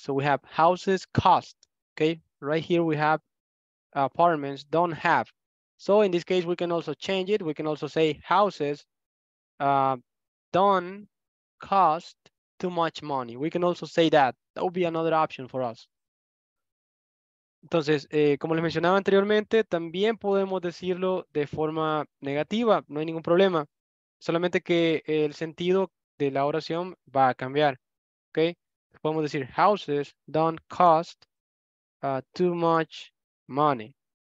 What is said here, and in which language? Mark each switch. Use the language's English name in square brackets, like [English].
[English] So we have houses cost, okay? Right here we have apartments don't have. So in this case, we can also change it. We can also say houses don't cost too much money. We can also say that. That would be another option for us. [Spanish] Entonces, como les mencionaba anteriormente, también podemos decirlo de forma negativa. No hay ningún problema. Solamente que el sentido de la oración va a cambiar. [English] Okay? [Spanish] Podemos decir, [English] houses don't cost too much money.